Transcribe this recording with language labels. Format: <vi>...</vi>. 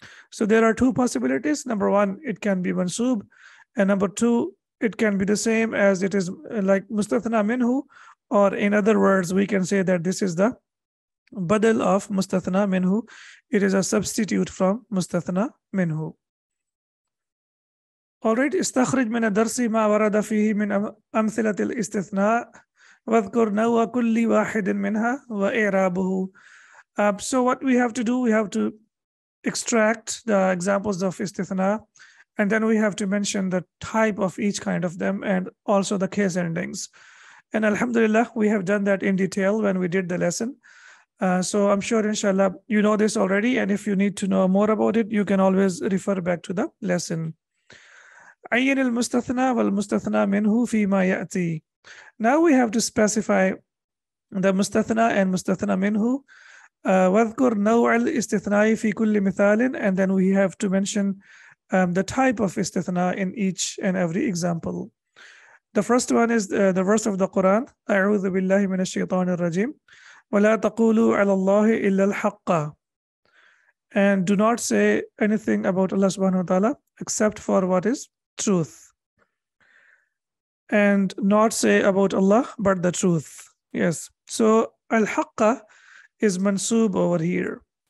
<en>So there are two possibilities. Number one, it can be mansub. And number two, it can be the same as it is like mustathna minhu. Or in other words, we can say that this is the badal of mustathna minhu. It is a substitute from mustathna minhu.</en> <ar>Alright, استخرج من الدرس ما ورد فيه من أمثلة الاستثناء واذكر نوع كل واحد منها وإعرابه.</ar> <en>So what we have to do, we have to extract the examples of استثناء, and then we have to mention the type of each kind of them and also the case endings. And alhamdulillah, we have done that in detail when we did the lesson. So I'm sure inshallah you know this already, and if you need to know more about it, you can always refer back to the lesson.</en> <ar>عين المستثنى والمستثنى منه فيما يأتي.</ar> <en>Now we have to specify the مستثنى and مستثنى منه.</en> <ar>واذكر نوع الاستثناء في كل مثال,</ar> <en>and then we have to mention the type of استثناء in each and every example. The first one is the verse of the Quran.</en> <ar>أعوذ بالله من الشيطان الرجيم. ولا تقولوا على الله إلا الحق.</ar> <en>And do not say anything about Allah subhanahu wa ta'ala except for what is truth, and not say about Allah but the truth. Yes, so al-haqqa is mansub over here.</en>